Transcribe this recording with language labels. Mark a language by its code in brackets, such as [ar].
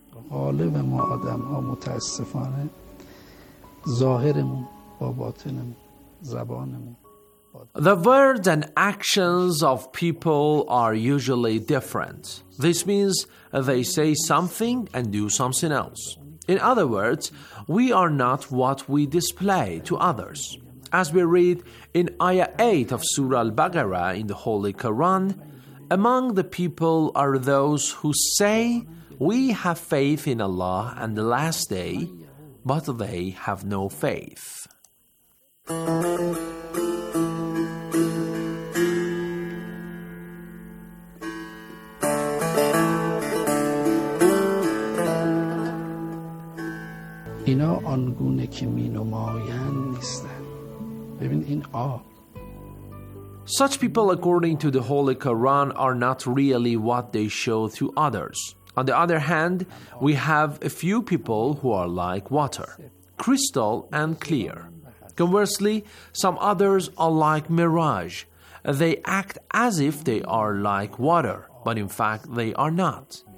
[fa] غالب ما آدم ها متاسفانه ظاهرمون با باطنمون زبانمون. [en] The words and actions of people are usually different. This means they say something and do something else. In other words, we are not what we display to others. As we read in Ayah 8 of Surah Al-Baqarah in the Holy Quran, among the people are those who say, "We have faith in Allah and the last day," but they have no faith. [fa] اینا آنگونه که می نمایند نیستن. ببین این آب. [en] Such people, according to the Holy Quran, are not really what they show to others. On the other hand, we have a few people who are like water, crystal and clear. Conversely, some others are like mirage. They act as if they are like water, but in fact they are not.